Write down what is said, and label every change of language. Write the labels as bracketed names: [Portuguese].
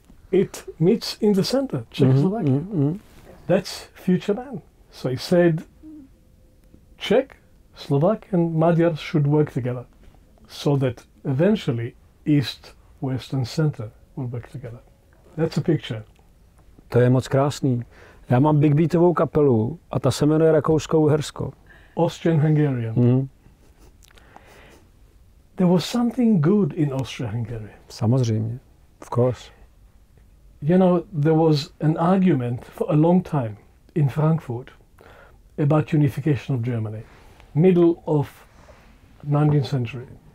[English] it meets in the center, Czechoslovakia. Mm-hmm, mm-hmm. That's future man. So he said, Czech, Slovak and Magyar should work together so that eventually East, West and Center will work together. That's a picture. [Czech] To je moc krásný. Já mám Big Beatovou kapelu a ta se jmenuje Rakousko-Uhersko. [English] Austrian-Hungarian. Mm. There was something good in Austria-Hungary. [Czech] Samozřejmě. [English] Of course. You know, there was an argument for a long time in Frankfurt about unification of Germany, middle of 19th century.